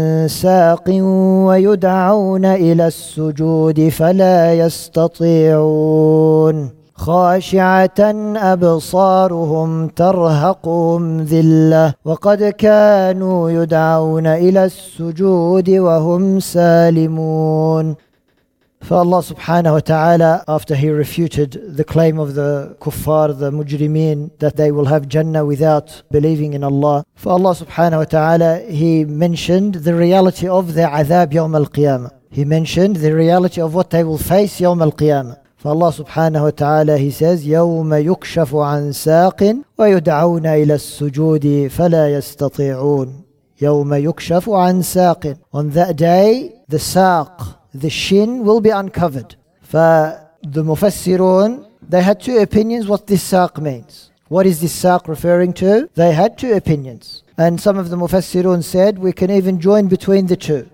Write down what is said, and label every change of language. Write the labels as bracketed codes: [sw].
[ar] ساق ويدعون إلى السجود فلا يستطيعون خاشعة أبصارهم ترهقهم ذلة وقد كانوا يدعون إلى السجود وهم سالمون. فالله سبحانه وتعالى, [en] after he refuted the claim of the kuffar, the mujrimeen, that they will have Jannah without believing in Allah, for Allah subhanahu wa ta'ala, he mentioned the reality of the azab yawm al-qiyamah. He mentioned the reality of what they will face yawm al-qiyamah. For Allah subhanahu wa ta'ala, he says, [ar] يَوْمَ يُكْشَفُ عَنْ سَاقٍ وَيُدْعَوْنَ إِلَى السُّجُودِ فَلَا يَسْتَطِيعُونَ يَوْمَ يُكْشَفُ عَنْ سَاقٍ. [en] On that day, the saq, the shin, will be uncovered. The mufassirun, they had two opinions what this saq means. What is this saq referring to? They had two opinions. And some of the mufassirun said, we can even join between the two.